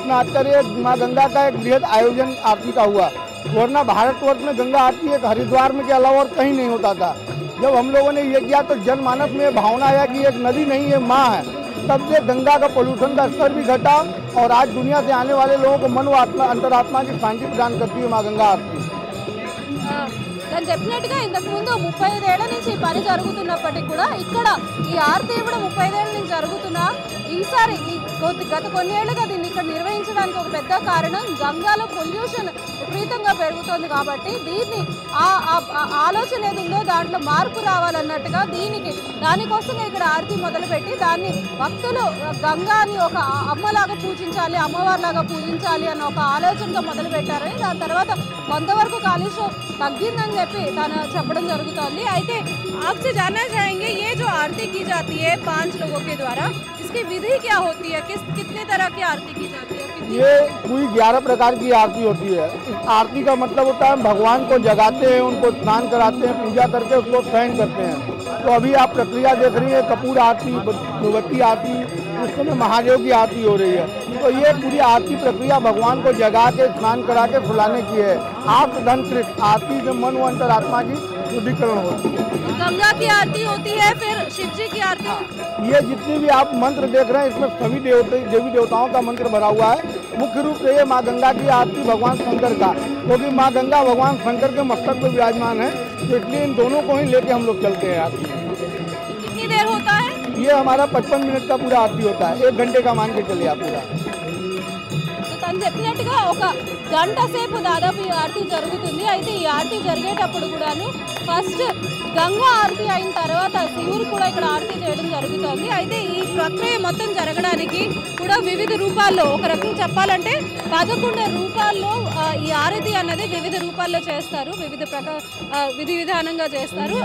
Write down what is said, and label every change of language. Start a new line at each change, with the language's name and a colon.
Hindi: इस नाच कर ये माँ गंगा का एक बृहद आयोजन आरती का हुआ, वरना भारतवर्ष में गंगा आरती एक हरिद्वार में के अलावा और कहीं नहीं होता था. जब हम लोगों ने ये किया तो जनमानस में भावना आया कि एक नदी नहीं है, माँ है. तब से गंगा का पॉल्यूशन का स्तर भी घटा और आज दुनिया से आने वाले लोगों को मन व आत्मा अंतरात्मा की शांति प्रदान करती है माँ गंगा आरती.
Telugu: నేను చెప్పినట్టుగా ఇంతకు ముందు 35 ఏళ్ల నుంచి ఈ పని జరుగుతున్నప్పటికీ కూడా ఇక్కడ ఈ ఆర్తి ఇవ్వడం 35 ఏళ్ల నుంచి జరుగుతున్నా. ఈసారి గత కొన్ని ఏళ్ళుగా దీన్ని ఇక్కడ నిర్వహించడానికి ఒక పెద్ద కారణం గంగాలో పొల్యూషన్ విపరీతంగా పెరుగుతుంది కాబట్టి దీన్ని ఆలోచన ఏది ఉందో దాంట్లో మార్పు రావాలన్నట్టుగా దీనికి దానికోసమే ఇక్కడ ఆర్తి మొదలుపెట్టి దాన్ని భక్తులు గంగాని ఒక అమ్మలాగా పూజించాలి అమ్మవారిలాగా పూజించాలి అన్న ఒక ఆలోచనతో మొదలు పెట్టారని దాని తర్వాత కొంతవరకు కాలుష్యం తగ్గిందని చెప్పి తను చెప్పడం జరుగుతుంది. అయితే
Hindi: ఆప్సి జానా జాయేంగే ఏ జో ఆర్తి కీ జాతీ ఏ పాంచ్ లోగో కే ద్వారా ఇస్కీ విధి క్యా హోతీ high kiss కిత్నే తరహ key Aarthi key జాతీ high. ये कोई 11 प्रकार की आरती होती है. आरती का मतलब होता है हम भगवान को जगाते हैं, उनको स्नान कराते हैं, पूजा करके उसको शयन करते हैं. तो अभी आप प्रक्रिया देख रही हैं कपूर आरती, भगवती आरती, उस समय महादेव की आरती हो रही है. तो ये पूरी आरती प्रक्रिया भगवान को जगा के स्नान करा के फुलाने की है. आप धनकृत आरती से मन व अंतर आत्मा की शुद्धिकरण होती है. गंगा की आरती होती है, फिर शिव जी की आरती. ये जितनी भी आप मंत्र देख रहे हैं इसमें सभी देवी देवताओं का मंत्र भरा हुआ है. मुख्य रूप से ये माँ गंगा की आरती भगवान शंकर का, क्योंकि माँ गंगा भगवान शंकर के मस्तक पर विराजमान है, तो इसलिए इन दोनों को ही लेके हम लोग चलते हैं आरती. कितनी देर होता है ये? हमारा 55 मिनट का पूरा आरती होता है. 1 घंटे का मान के चले आप पूरा.
Telugu: చెప్పినట్టుగా ఒక గంట సేపు దాదాపు ఈ ఆర్తి జరుగుతుంది. అయితే ఈ ఆర్తి జరిగేటప్పుడు కూడాను ఫస్ట్ గంగా ఆర్తి అయిన తర్వాత శివుడు కూడా ఇక్కడ ఆర్తి చేయడం జరుగుతుంది. అయితే ఈ ప్రక్రియ మొత్తం జరగడానికి కూడా వివిధ రూపాల్లో, ఒక రకం చెప్పాలంటే 11 రూపాల్లో ఈ ఆరతి అన్నది వివిధ రూపాల్లో చేస్తారు, వివిధ విధి విధానంగా చేస్తారు.